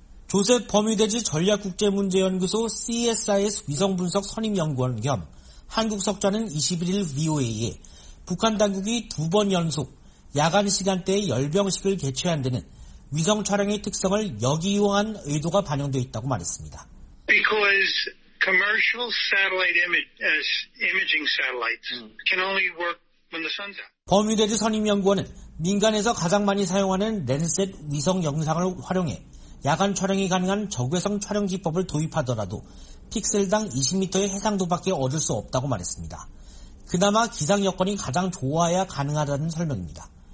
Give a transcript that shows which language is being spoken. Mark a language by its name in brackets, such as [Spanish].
[Korean] 조셉 버뮤데즈 전략국제문제연구소 CSIS 위성분석 선임연구원 겸 한국석좌는 21일 VOA에 북한 당국이 두 번 연속 야간 시간대에 열병식을 개최한 데는 위성 촬영의 특성을 역이용한 의도가 반영돼 있다고 말했습니다. [English] Because commercial satellite imaging satellites can only work when the sun's out. [Korean] 버뮤데즈 선임연구원은 민간에서 가장 많이 사용하는 랜셋 위성 영상을 활용해 야간 촬영이 가능한 적외선 촬영 기법을 도입하더라도 픽셀당 20m의 해상도밖에 얻을 수 없다고 말했습니다. 그나마 기상 여건이 가장 좋아야 가능하다는 설명입니다.